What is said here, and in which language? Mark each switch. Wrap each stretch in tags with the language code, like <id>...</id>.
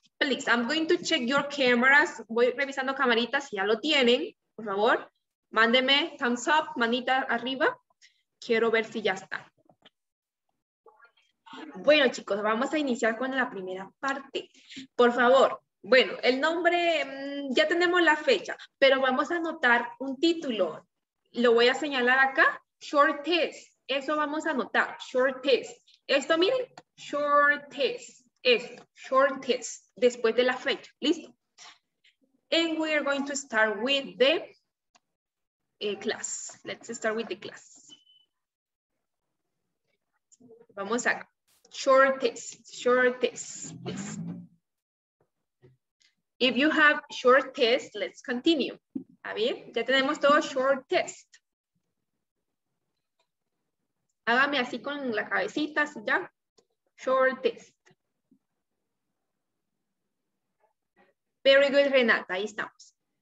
<en>Please, I'm going to check your cameras.</en> <es>Voy revisando camaritas si ya lo tienen. Por favor, mándenme</es> <en>thumbs up,</en> <es>manita arriba. Quiero ver si ya está. Bueno, chicos, vamos a iniciar con la primera parte. Por favor, bueno, el nombre, ya tenemos la fecha, pero vamos a anotar un título. Lo voy a señalar acá,</es> <en>short test.</en> <es>Eso vamos a anotar, short test. Esto, miren,</es> <en>short test.</en> <es>Esto, short test, después de la fecha. Listo.</es> <en>And we are going to start with the class. Let's start with the class.</en> <es>Vamos acá.</es> <en>Short test. If you have short test, let's continue.</en> <es>A ver, ya tenemos todo</es> <en>short test.</en> <es>Hágame así con la cabecita, así ya.</es> <en>Short test. Very good, Renata,</en> <es>ahí estamos.</es>